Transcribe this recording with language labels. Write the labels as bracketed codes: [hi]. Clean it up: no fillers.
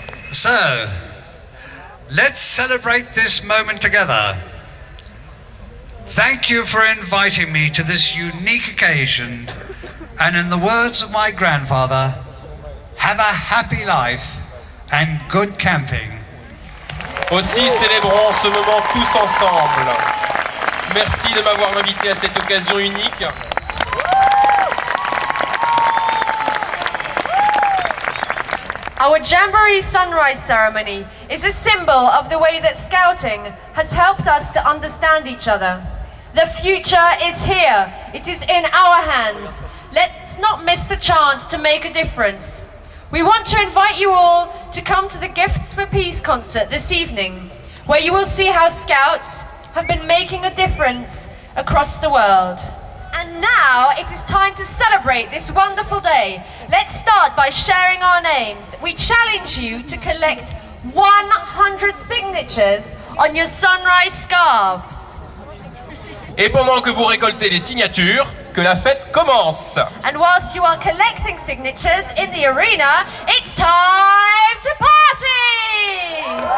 [en] So, let's celebrate this moment together. Thank you for inviting me to this unique occasion. And in the words of my grandfather, have a happy life and good camping. [fr] Aussi célébrons ce moment tous ensemble. Merci de m'avoir invité à cette occasion unique. [en] Our Jamboree Sunrise Ceremony is a symbol of the way that scouting has helped us to understand each other. The future is here. It is in our hands. Let's not miss the chance to make a difference. We want to invite you all to come to the Gifts for Peace concert this evening, where you will see how scouts have been making a difference across the world. And now it is time to celebrate this wonderful day. Let's start by sharing our names. We challenge you to collect 100 signatures on your sunrise scarves. [fr] Et pendant que vous récoltez les signatures, que la fête commence. [en] And whilst you are collecting signatures in the arena, it's time to party!